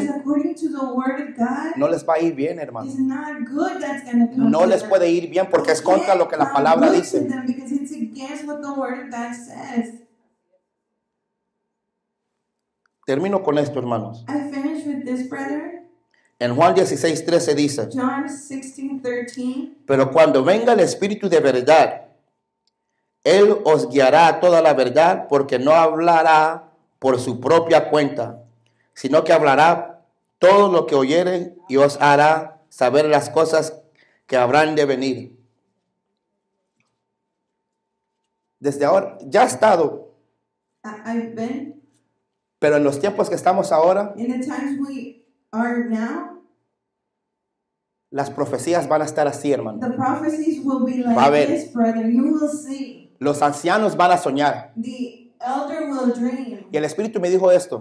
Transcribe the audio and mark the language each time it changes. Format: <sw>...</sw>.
<en>because according to the word of God,</en> <es>no les va a ir bien, hermano.</es> <en>It's not good that's gonna come</en> <es>no les puede ir bien porque es contra lo que la palabra dice.</es> <en>Guess what the word of God says.</en> <es>Termino con esto, hermanos.</es> <en>I finish with this, brother.</en> <es>En Juan 16:13 dice,</es> <en>John 16:13,</en> <es>pero cuando venga el Espíritu de verdad, Él os guiará a toda la verdad, porque no hablará por su propia cuenta, sino que hablará todo lo que oyere y os hará saber las cosas que habrán de venir. Desde ahora, ya ha estado. Pero en los tiempos que estamos ahora,</es> <en>in the times we are now,</en> <es>las profecías van a estar así, hermano.</es> <en>The prophecies will be like this, brother. You will see.</en> <es>Los ancianos van a soñar.</es> <en>The elder will dream.</en> <es>Y el Espíritu me dijo esto.</es>